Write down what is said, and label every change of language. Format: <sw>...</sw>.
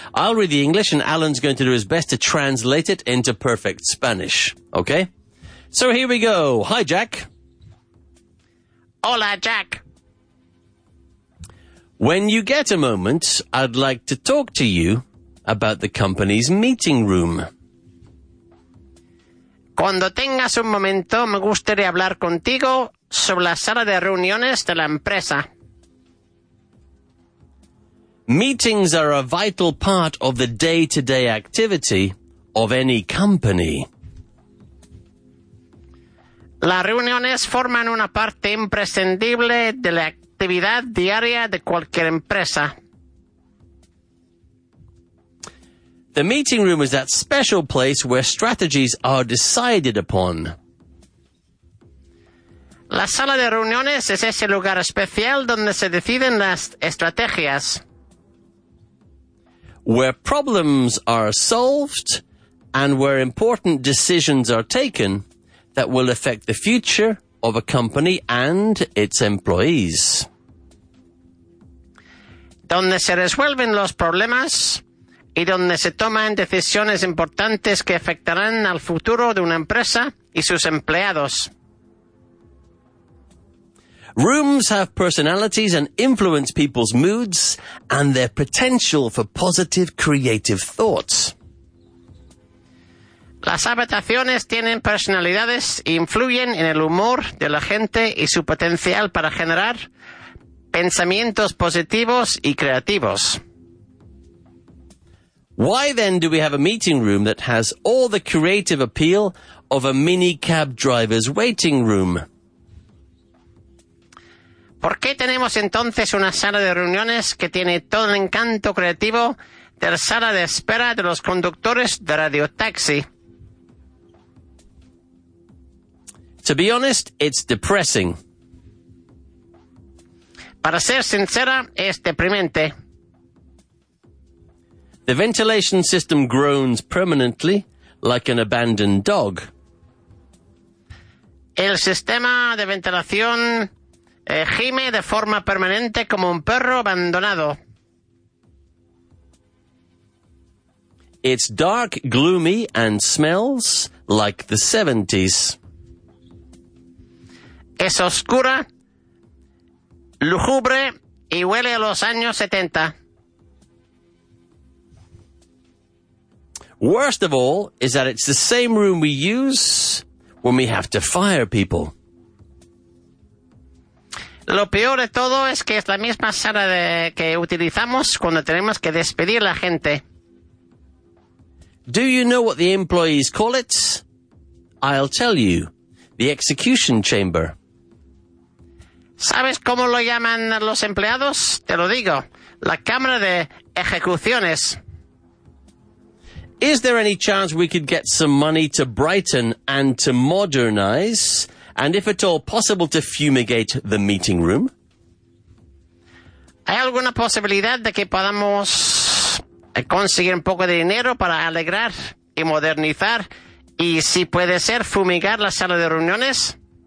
<en>I'll read the English, and Alan's going to do his best to translate it into perfect Spanish, okay? So here we go. Hi, Jack.</en> <es>Hola, Jack.</es> <en>When you get a moment, I'd like to talk to you about the company's meeting room.</en> <es>Cuando tengas un momento, me gustaría hablar contigo sobre la sala de reuniones de la empresa.</es> <en>Meetings are a vital part of the day-to-day activity of any company.</en> <es>Las reuniones forman una parte imprescindible de la actividad diaria de cualquier empresa.</es> <en>The meeting room is that special place where strategies are decided upon.</en> <es>La sala de reuniones es ese lugar especial donde se deciden las estrategias.</es> <en>Where problems are solved and where important decisions are taken that will affect the future of a company and its employees.</en> <es>Donde se resuelven los problemas y donde se toman decisiones importantes que afectarán al futuro de una empresa y sus empleados.</es> <en>Rooms have personalities and influence people's moods and their potential for positive creative thoughts.</en> <es>Las habitaciones tienen personalidades e influyen en el humor de la gente y su potencial para generar pensamientos positivos y creativos.</es> <en>Why then do we have a meeting room that has all the creative appeal of a mini cab driver's waiting room?</en> <es>¿Por qué tenemos entonces una sala de reuniones que tiene todo el encanto creativo de la sala de espera de los conductores de radio taxi?</es> <en>To be honest, it's depressing.</en> <es>Para ser sincera, es deprimente.</es> <en>The ventilation system groans permanently like an abandoned dog.</en> <es>El sistema de ventilación gime de forma permanente como un perro abandonado.</es> <en>It's dark, gloomy, and smells like the 70s.</en> <es>Es oscura, lúgubre y huele a los años 70.</es> <en>Worst of all is that it's the same room we use when we have to fire people.</en> <es>Lo peor de todo es que es la misma sala que utilizamos cuando tenemos que despedir a la gente.</es> <en>Do you know what the employees call it? I'll tell you. The execution chamber.</en> <es>¿Sabes cómo lo llaman los empleados? Te lo digo. La cámara de ejecuciones.</es> <en>Is there any chance we could get some money to brighten and to modernize, and if at all possible to fumigate the meeting room?</en> <es>¿Hay alguna posibilidad de que podamos conseguir un poco de dinero para alegrar y modernizar, y si puede ser fumigar la sala de reuniones?</es>